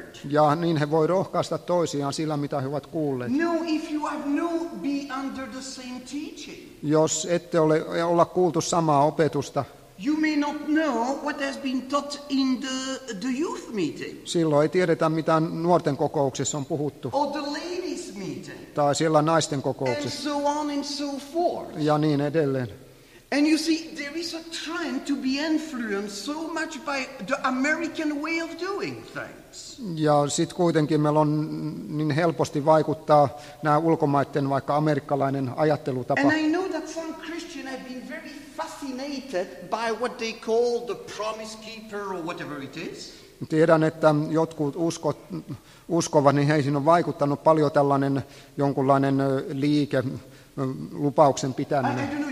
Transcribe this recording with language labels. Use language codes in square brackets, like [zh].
[fi] Ja niin he voi rohkaista toisiaan sillä, mitä he ovat kuulleet. [en] No, if you have no, be under the same teaching. [fi] Jos ette ole olla kuultu samaa opetusta, [en] you may not know what has been taught in the youth meeting. [fi] Silloin ei tiedetä, mitä nuorten kokouksessa on puhuttu. [en] Or the ladies meeting. [fi] Tai siellä naisten kokouksessa. [en] And so on and so forth. [fi] Ja niin edelleen. [en] And you see, there is a trend to be influenced so much by the American way of doing things. [fi] Ja sitten kuitenkin meillä on niin helposti vaikuttaa nämä ulkomaiden, vaikka amerikkalainen ajattelutapa. [en] And I know that some Christians have been very fascinated by what they call the promise keeper or whatever it is. [fi] Tiedän, että jotkut uskovat, niin heihin on vaikuttanut paljon tällainen jonkunlainen liike, lupauksen pitäminen.